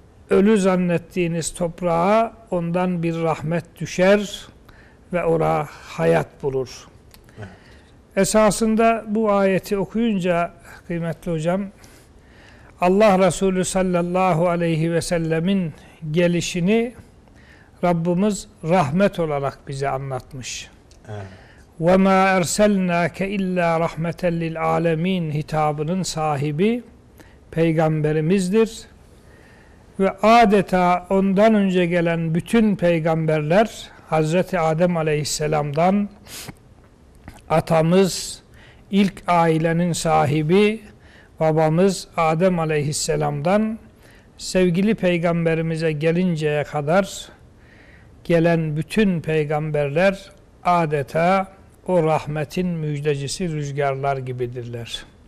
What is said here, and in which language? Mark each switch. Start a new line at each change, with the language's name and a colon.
Turkish: Ölü zannettiğiniz toprağa ondan bir rahmet düşer ve ora hayat bulur. Esasında bu ayeti okuyunca kıymetli hocam, Allah Resulü sallallahu aleyhi ve sellemin gelişini Rabbimiz rahmet olarak bize anlatmış.
Arabic: وَمَا اَرْسَلْنَاكَ اِلَّا رَحْمَةً لِلْعَالَمِينَ
Turkish: hitabının sahibi peygamberimizdir. Ve adeta ondan önce gelen bütün peygamberler, Hazreti Adem aleyhisselamdan atamız, ilk ailenin sahibi babamız Adem aleyhisselamdan sevgili peygamberimize gelinceye kadar gelen bütün peygamberler adeta o rahmetin müjdecisi rüzgarlar gibidirler.